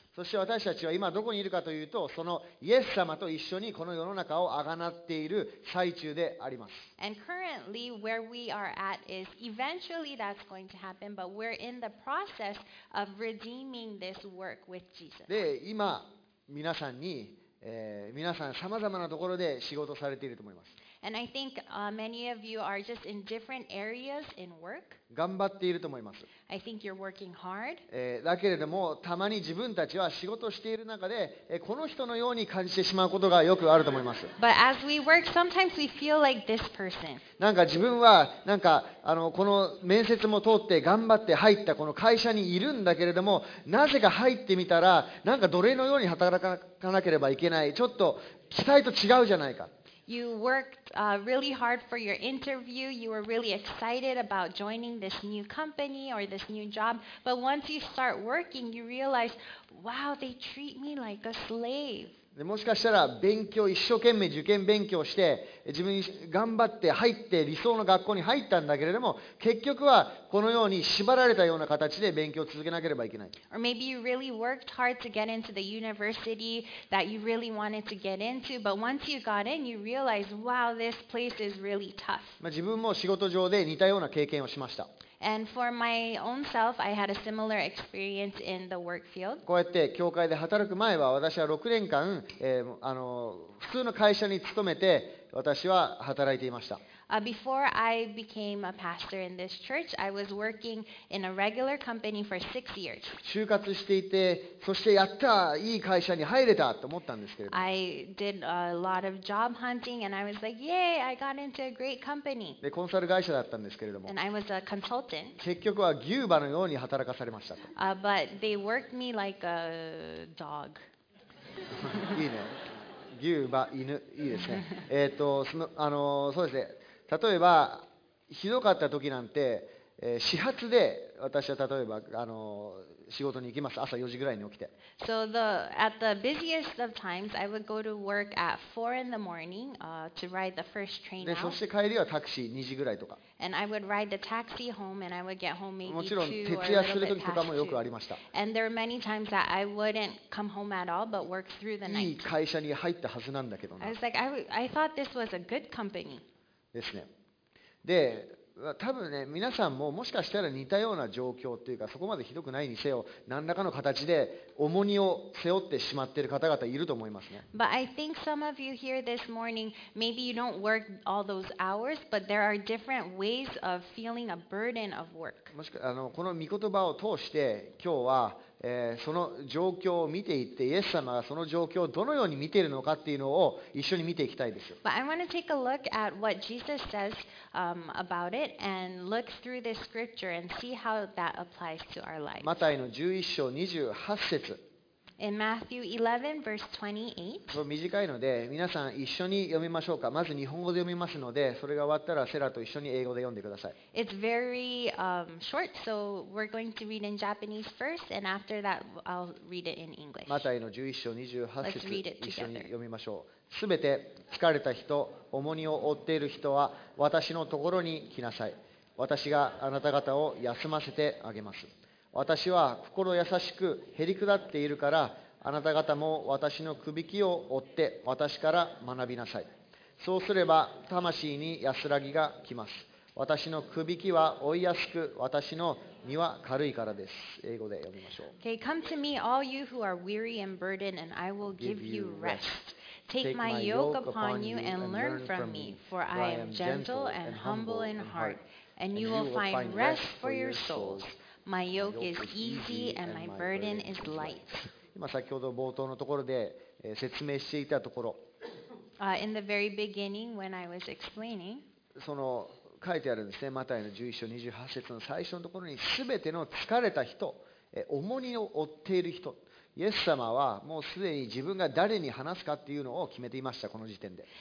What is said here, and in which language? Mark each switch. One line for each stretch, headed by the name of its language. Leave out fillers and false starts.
Japanese: そして私たちは今どこにいるかというと、そのイエス様と一緒にこの世の中をあがなっている最中であります。
English: And currently where we are at is eventually that's going to happen, but we're in the process of redeeming this work with Jesus.
Japanese: で、今皆さんに、皆さん様々なところで仕事されていると思います。
English: And I think many of you are just in different areas in work.
Japanese: 頑張っていると思います。
English: I think you're working hard.
Japanese: だけれども、たまに自分たちは仕事をしている中で、この人のように感じてしまうことがよくあると思います。
English: But as we work, sometimes we feel like this person.
Japanese: なんか自分は、なんかこの面接も通って頑張って入ったこの会社にいるんだけれども、なぜか入ってみたら、なんか奴隷のように働かなければいけない。ちょっと期待と違うじゃないか。
English: You worked really hard for your interview. You were really excited about joining this new company or this new job. But once you start working, you realize, wow, they treat me like a slave.
Japanese: でもしかしたら勉強一生懸命受験勉強して自分に頑張って入って理想の学校に入ったんだけれども結局はこのように縛られたような形で勉強を続けなければいけない。
English: Or maybe you really worked hard to get into the university that you really wanted to get into, but once you got in, you realized, wow, this place is really tough.
Japanese: まあ自分も仕事上で似たような経験をしました。
English: And for my own self, I had a similar experience in the work field.
Japanese: こうやって教会で働く前は、私は6年間、普通の会社に勤めて、私は働いていました。
English: Before I became a pastor in this church, I was working in a regular company for 6 years.
Japanese: 就活していて、そしてやった、いい会社に入れたと思ったんですけれども。
English: I did a lot of job hunting and I was like, yay, I got into a great company.
Japanese: で、コンサル会社だったんですけれども。
English: And I was a consultant.
Japanese: 結局は牛馬のように働かされましたと。
English: But they worked me like a dog.
Japanese: いいね。牛馬、犬、いいですね。そうですね。例えばひどかった時なんて、始発で私は例えば仕事に行きます。朝4時ぐらいに起きて。
English: So the at the busiest of times, I would go to work at 4 in the morning, to ride the first train out.
Japanese: でそして帰りはタクシー2時ぐらいとか。
English: And I would ride the taxi home, and I would get home maybe 2 or a little bit past 2.
Japanese: もちろん徹夜する時とかもよくありました。
English: And there were many times that I wouldn't come home at all, but work through the night.
Japanese: いい会社に入ったはずなんだけどな。
English: I was like, I thought this was a good company.
Japanese: ですね。で、多分ね、皆さんももしかしたら似たような状況というか、そこまでひどくないにせよ、何らかの形で重荷を背負ってしまっている方々いると思いますね。
English: But I think some of you here this morning, maybe you don't work all those hours, but there are different ways of feeling a burden of work.
Japanese: もしくはこの御言葉を通して、今日は、その状況を見ていってイエス様がその状況をどのように見ているのかっていうのを一緒に見ていきたいです
English: よ。But I want to take a look at what Jesus says about it and look through this scripture and see how that applies to our life.
Japanese: マタイの11章28節。
English: In Matthew 11 verse 28.
Japanese: 短いので皆さん一緒に読みましょうか。まず日本語で読みますのでそれが終わったらセラと一緒に英語で読んでください。
English: It's very short, so we're going to read in Japanese first, and after that I'll read it in English.
Japanese: マタイの11章28節一緒に読みましょう。すべて疲れた人、重荷を負っている人は私のところに来なさい。私があなた方を休ませてあげます。私は心優しくへりくだっているからあなた方も私のくびきを追って私から学びなさい。そうすれば魂に安らぎがきます。私のくびきは追いやすく私の身は軽いからです。英語で読みましょう。
English: Okay, come to me all you who are weary and burdened and I will give you rest. Take my yoke upon you and learn from me, for I am gentle and humble in heart, and you will find rest for your souls. My yoke is easy and my burden is light.
Japanese: 今先ほど冒頭のところで説明していたところ。
English: In the very beginning, when I was explaining,
Japanese: その書いてあるんですね。マタイの11章28節の最初のところに、すべての疲れた人、重荷を負っている人。イエス様はもうすでに自分が誰に話すかっていうのを決めていました、この時点で。